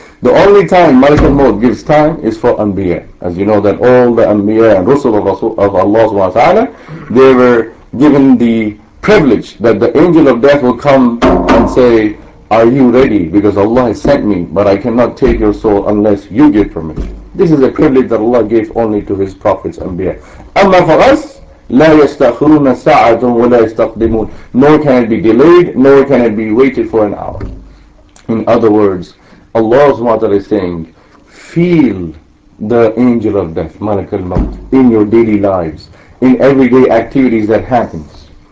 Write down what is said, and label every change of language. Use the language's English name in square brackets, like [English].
[English] The only time Malik al-Maut gives time is for Anbiya. As you know that all the Anbiya and Rusul of Allah subhanahu wa ta'ala, they were given the privilege that the angel of death will come and say, are you ready? Because Allah has sent me, but I cannot take your soul unless you give permission. This is a privilege that Allah gave only to His prophets, Anbiya. [Arabic] Amma [English] for us, [Arabic] لَا يَسْتَأْخِرُونَ سَاعَةٌ وَلَا يَسْتَقْدِمُونَ. [English] Nor can it be delayed, nor can it be waited for an hour. In other words, Allah subhanahu wa ta'ala is saying, feel the angel of death, Malak al-Maut, in your daily lives, in everyday activities that happens.